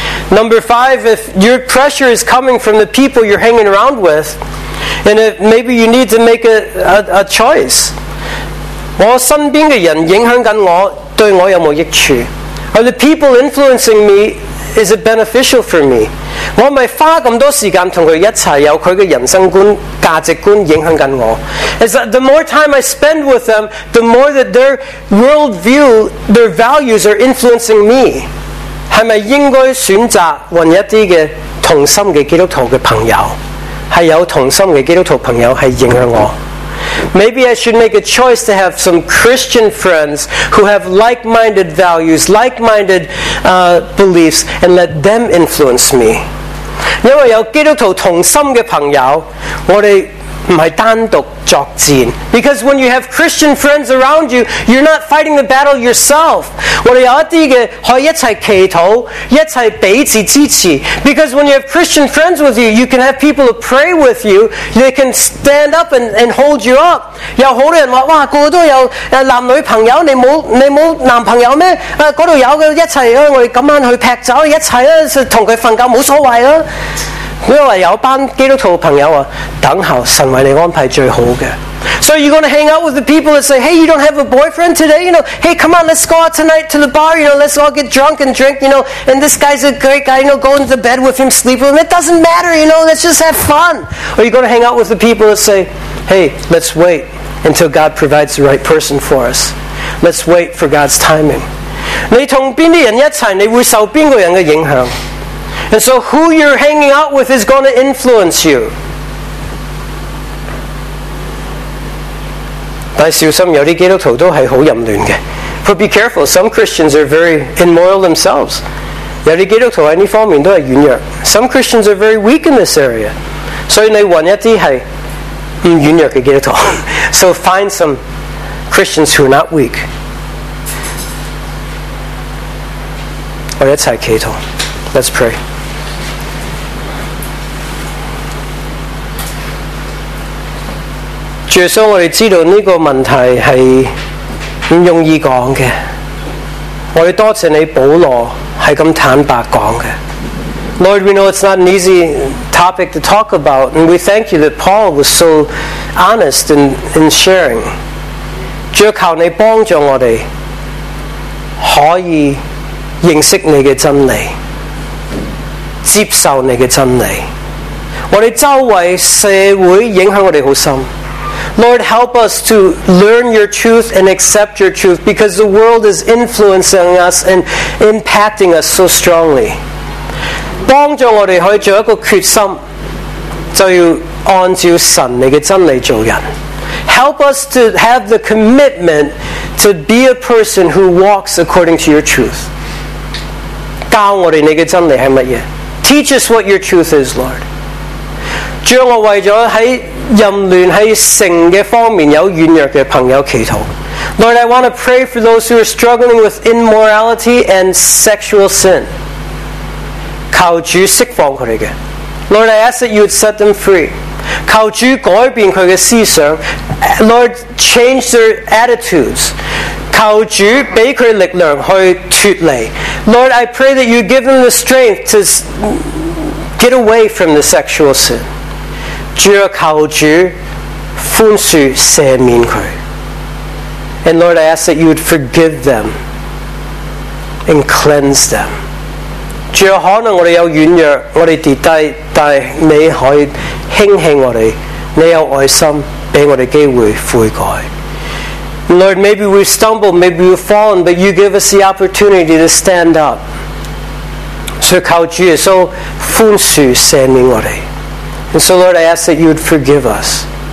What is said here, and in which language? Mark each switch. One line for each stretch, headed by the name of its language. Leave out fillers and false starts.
English: Number five, if your pressure is coming from the people you're hanging around with,And maybe you need to make a choice.
Chinese: 我身边的人影响紧我，对我有没有益处？
English: Are the people influencing me, is it beneficial for me?
Chinese: 我咪花咁多时间同佢一齐，有佢嘅人生观、价值观影响紧我。
English: Is that the more time I spend with them, the more that their worldview, their values are influencing me?
Chinese: 系咪应该选择揾一啲嘅同心嘅基督徒嘅朋友？是有同心的基督徒朋友是影响我。
English: Maybe I should make a choice to have some Christian friends who have like-minded values, like-minded beliefs, and let them influence me.
Chinese: 因为有基督徒同心的朋友，我们不是单独作战。
English: Because when you have Christian friends around you, you're not fighting the battle yourself.
Chinese: 我们有一些的可以一起祈祷，一起彼此支持。
English: Because when you have Christian friends with you, you can have people to pray with you. They can stand up and hold you up.
Chinese: 有很多人说，哇，那里都有男女朋友，你没男朋友吗？那里有的，一起，我们今晚去劈酒，一起跟他睡觉，没所谓啊。因为有一班基督徒的朋友等候神为你安排最好的。
English: So you're going to hang out with the people that say, hey, you don't have a boyfriend today, you know, hey, come on, let's go out tonight to the bar, you know, let's all get drunk and drink, you know, and this guy's a great guy, you know, go into bed with him, sleep with him, it doesn't matter, you know, let's just have fun. Or you're going to hang out with the people that say, hey, let's wait until God provides the right person for us. Let's wait for God's timing.
Chinese: 你跟哪些人一起，你会受哪个人的影响？
English: And so who you're hanging out with is going to influence you.
Chinese: 但小心，有些基督徒都是很淫乱的。
English: But be careful, some Christians are very immoral themselves.
Chinese: 有些基督徒在这方面都是软弱。
English: Some Christians are very weak in this area.
Chinese: 所以你找一些是不软弱的基督徒。
English: So find some Christians who are not weak.
Chinese: 我一起祈祷。
English: Let's pray.
Chinese: 主耶稣，我们知道这个问题是不容易讲的，我们多谢你保罗是这么坦白讲的。
English: Lord, we know it's not an easy topic to talk about, and we thank you that Paul was so honest in sharing.
Chinese: 主求你帮助我们可以认识你的真理，接受你的真理。我们周围社会影响我们很深。
English: Lord, help us to learn your truth and accept your truth, because the world is influencing us and impacting us so strongly.
Chinese: 帮助我们可以做一个决心，就要按照神你的真理做人。
English: Help us to have the commitment to be a person who walks according to your truth.
Chinese: 教我们你的真理是什么？
English: Teach us what your truth is, Lord.
Chinese: 主，我为了在淫乱在性的方面有软弱的朋友祈祷。
English: Lord, I want to pray for those who are struggling with immorality and sexual sin.
Chinese: 求主释放他们的。
English: Lord, I ask that you would set them free.
Chinese: 求主改变他的思想。
English: Lord, change their attitudes.
Chinese: 求主给他力量去脱离。
English: Lord, I pray that you give them the strength to get away from the sexual sin.
Chinese: 主啊，求主宽恕赦免他。
English: And Lord, I ask that you would forgive them and cleanse them.
Chinese: 主啊，可能我们有软弱，我们跌低，但是你可以轻轻我们，你有爱心。
English: Lord, maybe we've stumbled, maybe we've fallen, but you give us the opportunity to stand up. And so, Lord, I ask that you would forgive us.